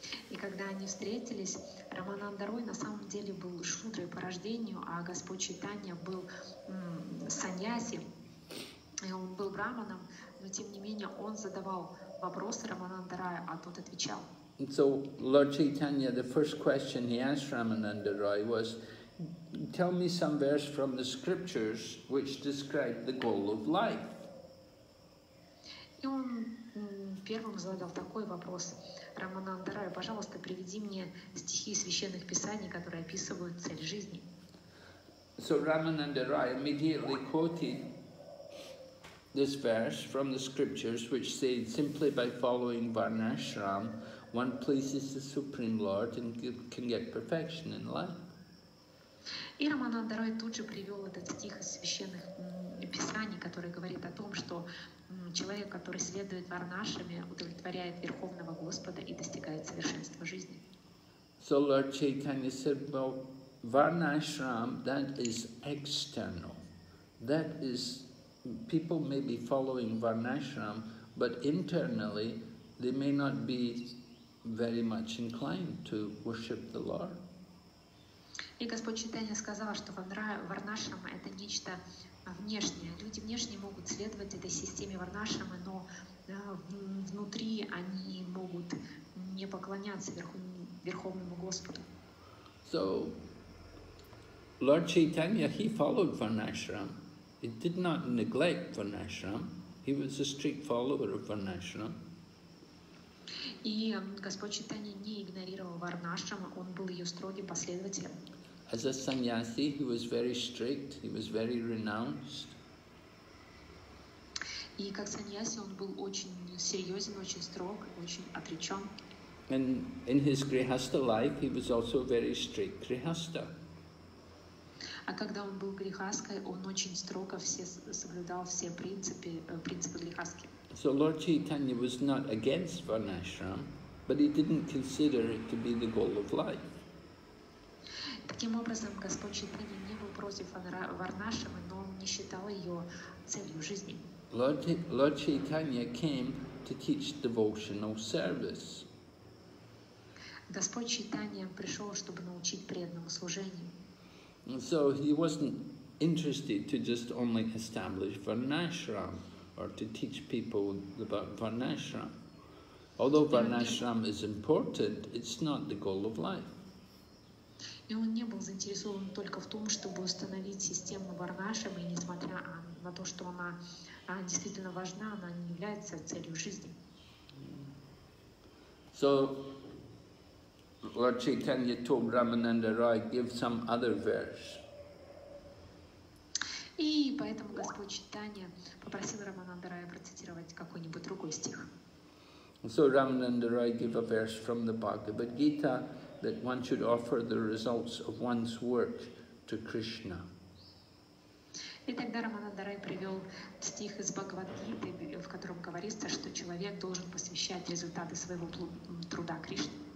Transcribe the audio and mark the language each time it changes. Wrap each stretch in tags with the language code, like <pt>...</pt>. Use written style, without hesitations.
<ru>И когда они встретились, Рамананда Рой на самом деле был шудрой по рождению, а Господь Чайтанья был саньяси, и он был браманом, но тем не менее он задавал вопросы Рамананда Рой, а тот отвечал.</ru> <en>And so Lord Chaitanya, the first question he asked Рамананда Рой was, tell me some verse from the scriptures which describe the goal of life.</en> <ru>И он первым задал такой вопрос. Рамананда Рай, пожалуйста, приведи мне стихи священных писаний, которые описывают цель жизни.</ru> <en>So Рамананда Рай immediately quoted This verse from the scriptures, which says simply by following Varnashram, one pleases the Supreme Lord and can get perfection in life.</en> <ru>И Рамананда Рой тут же привел этот стих из священных писаний, который говорит о том, что человек, который следует Варнашраме, удовлетворяет Верховного Господа и достигает совершенства жизни.</ru> <en>So Lord Chaitanya said, well, Varnashram, that is external. That is, people may be following Varnashram, but internally, they may not be very much inclined to worship the Lord.</en> <ru>И Господь Читания сказал, что Варнашрама – это нечто внешнее. Люди внешне могут следовать этой системе Варнашрамы, но внутри они могут не поклоняться Верховному Господу.</ru> <en>So, Lord Chaitanya, he followed Varnashram. He did not neglect Varnashram. He was a strict follower of Varnashram.</en> <ru>И Господь Читания не игнорировал Варнашрама, он был ее строгим последователем.</ru> <en>As a sannyasi, he was very strict, he was very renounced.</en> <ru>И как саньяси он был очень серьезен, очень строг, очень отречен.</ru> <en>And in his grihastha life, he was also very strict grihastha.</en> <ru>А когда он был грихаской, он очень строго все соблюдал все принципы грихаски.</ru> <en>So Lord Chaitanya was not against Varnashram, but he didn't consider it to be the goal of life.</en> <ru>Таким образом, Господь Читани не был против Варнашрамы, но он не считал ее целью жизни.</ru> <en>Lord Chaitanya came to teach devotional service.</en> <ru>Господь Читания пришел, чтобы научить преданному служению.</ru> <en>So he wasn't interested to just only establish Varnashram or to teach people about Varnashram. Although Varnashram is important, it's not the goal of life.</en> <ru>И он не был заинтересован только в том, чтобы установить систему Варнашрамы, и несмотря на то, что она действительно важна, она не является целью жизни.</ru> <en>So, Lord Chaitanya told Ramananda Roy, give some other verse.</en> <ru>И поэтому Господь Читания попросил Рамананда Роя процитировать какой-нибудь другой стих.</ru> <en>So, Ramananda Roy gave a verse from the Bhagavad Gita, that one should offer the results of one's work to Krishna.</en> <ru>И тогда Рамананда Рай привел стих из Бхагавад-гиты, в котором говорится, что человек должен посвящать результаты своего труда Кришне.</ru>